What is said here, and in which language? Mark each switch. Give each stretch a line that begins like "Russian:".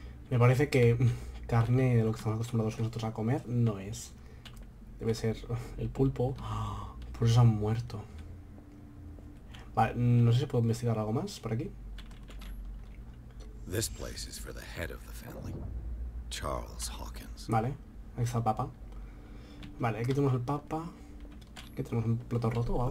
Spanish: Me parece que carne de lo que estamos acostumbrados nosotros a comer no es. Debe ser el pulpo. ¡Oh! Por eso han muerto. Vale, no sé si puedo investigar algo más por aquí.
English: This place is for the head of the family, Charles Hawkins.
Spanish: Vale, ahí está el papa. Vale, aquí tenemos el papa. Aquí tenemos un plato roto o